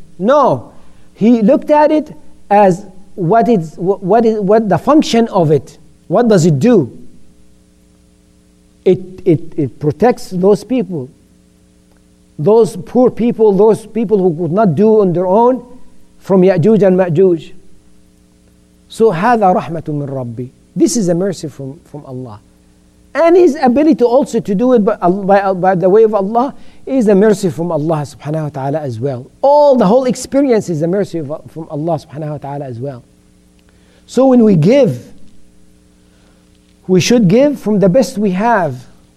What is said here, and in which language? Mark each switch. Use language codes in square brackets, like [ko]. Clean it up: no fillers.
[en] No, he looked at it as what the function of it. What does it do? It protects those people. Those poor people, those people who could not do on their own, from Ya'juj and Ma'juj. [ar] So, هذا رحمة من ربي. [en] This is a mercy from Allah. And his ability also to do it by the way of Allah is a mercy from Allah subhanahu wa ta'ala as well. All the whole experience is a mercy from Allah subhanahu wa ta'ala as well. So when we give, we should give from the best we have.